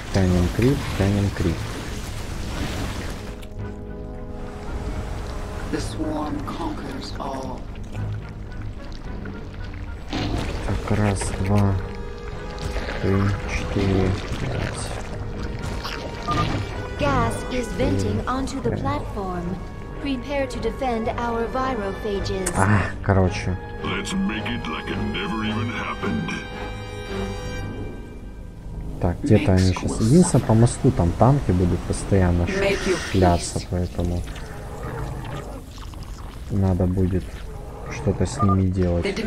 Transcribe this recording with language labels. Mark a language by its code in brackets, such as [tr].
[ru] Так, раз, два, три, четыре, пять. [en] Gas is venting onto the platform. Prepare to defend our virophages. [ru] Короче. [en] Let's make it like it never even happened. [ru] Так, где-то они сейчас... Единственное, по мосту там танки будут постоянно шляться, поэтому... Надо будет что-то с ними делать.